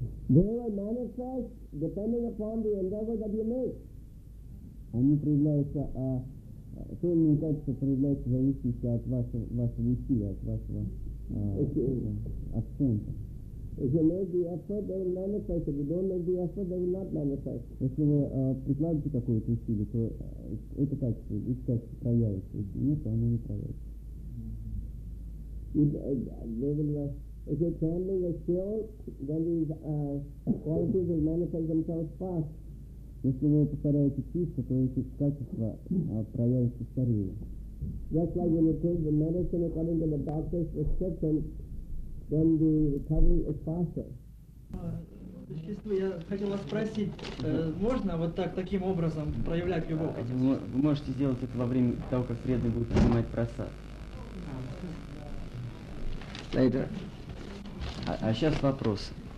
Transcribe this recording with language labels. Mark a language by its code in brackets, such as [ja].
[en] They will manifest depending upon the endeavor that you make. [ru] Они проявляются, то или иное качество проявляется в зависимости от вашего усилия, от вашего акцента. [en] If you make the effort, they will manifest. If you don't make the effort, they will not manifest. [ru] Если вы прикладываете какое-то усилие, то это качество, это качество проявится. Если нет, то оно не проявится. [en] If you're channeling a skill, then these qualities will manifest themselves fast. [ru] Если вы повторяете чисто, то эти качества проявятся скорее. [en] Just like when you take the medicine according to the doctor's prescription, then the recovery is faster. [ru] Я хотел вас спросить, можно вот так, таким образом проявлять любовь? Вы можете сделать это во время того, как преданный будет принимать просад. Later. А сейчас вопросы.